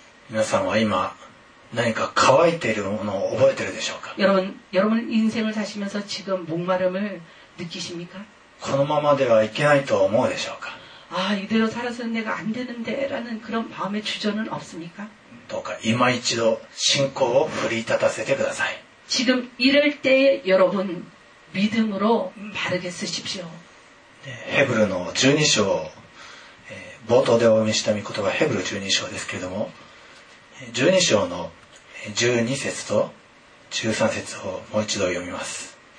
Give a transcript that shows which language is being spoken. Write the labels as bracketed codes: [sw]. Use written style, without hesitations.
[ja] 皆さんは今何か乾いているものを覚えているでしょうか [ko] 여러분인생을사시면서지금목마름을느끼십니까 [ja] このままではいけないと思うでしょうか [ko] 아이대로살아서내가안되는데라는그런마음의주저는없습니까 [ja] どうか이마一度信仰を振り立たせてください [ko] 지금이럴때에여러분믿음으로바르게쓰십시오 [ja] 헤브르의12章冒頭でお読みした御言葉はヘブル12章ですけれども12章の12節と13節をもう一度読みます